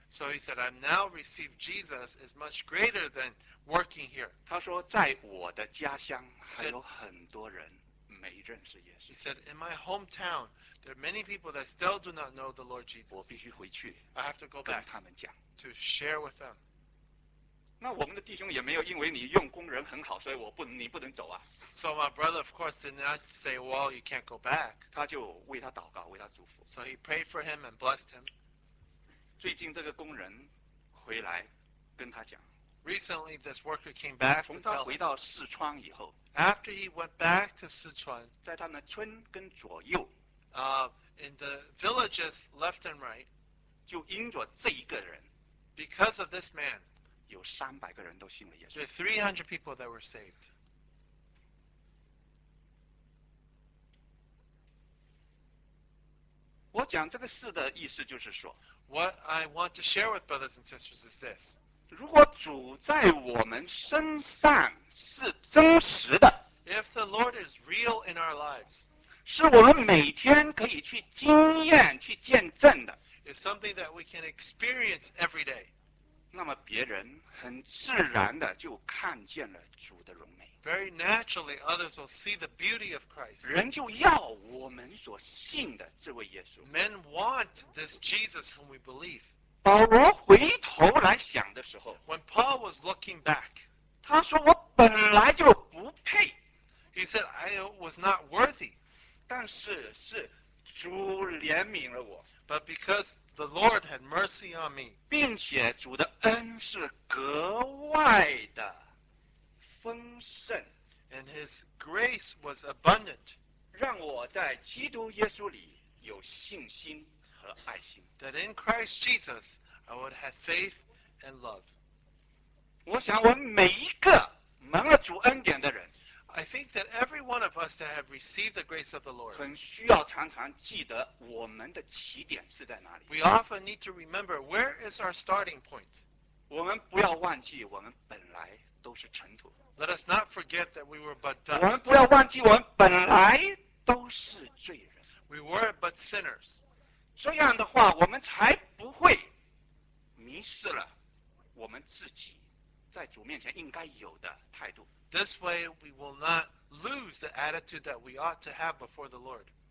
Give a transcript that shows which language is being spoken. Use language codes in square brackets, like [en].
[en] So he said, I've now received Jesus is much greater than working here. [zh] 他说在我的家乡还有很多人没认识耶稣。 [en] He said, in my hometown, there are many people that still do not know the Lord Jesus. [zh] 我必须回去。 [en] I have to go back. [zh] 跟他们讲。 [en] To share with them. [zh] 那我们的弟兄也没有因为你用工人很好，所以你不能走啊。 [en] So my brother, of course, did not say, well, you can't go back. [zh] 他就为他祷告，为他祝福。 [en] So he prayed for him and blessed him. [zh] 最近这个工人回来跟他讲。 [en] Recently, this worker came back. [zh] 从他回到四川以后 [en] ，After he went back to Sichuan, [zh] 在他们村跟左右 [en] ，in the villages left and right, [zh] 就因着这一个人 [en] ，because of this man, [zh] 有300个人都信了耶稣。 [en] There are 300 people that were saved. [zh] 我讲这个事的意思就是说 [en] ，What I want to share with brothers and sisters is this. [zh] 如果主在我们身上是真实的 [en] ，If the Lord is real in our lives， [zh] 是我们每天可以去经验、去见证的 [en] ，is something that we can experience every day。 [zh] 那么别人很自然的就看见了主的荣美。 [en] Very naturally, others will see the beauty of Christ. [zh] 人就要我们所信的这位耶稣。 [en] Men want this Jesus whom we believe. [zh] 保罗回头来想的时候 [en] ，When Paul was looking back, [zh] 他说我本来就不配。 [en] He said I was not worthy. [zh] 但是是主怜悯了我。 [en] But because the Lord had mercy on me. [zh] 并且主的恩是格外的丰盛。 [en] And his grace was abundant. [zh] 让我在基督耶稣里有信心和爱心。 [en] That in Christ Jesus, I would have faith and love. [zh] 我想我每一个蒙了主恩典的人。 [en] I think that every one of us that have received the grace of the Lord, [zh] 很需要常常记得我们的起点是在哪里。 [en] We often need to remember where is our starting point. [zh] 我们不要忘记我们本来都是尘土。 [en] Let us not forget that we were but dust. [zh] 我们不要忘记我们本来都是罪人。 [en] We were but sinners. [zh] 这样的话，我们才不会迷失了我们自己在主面前应该有的态度。 [en] This way, we will not lose the attitude that we ought to have before the Lord.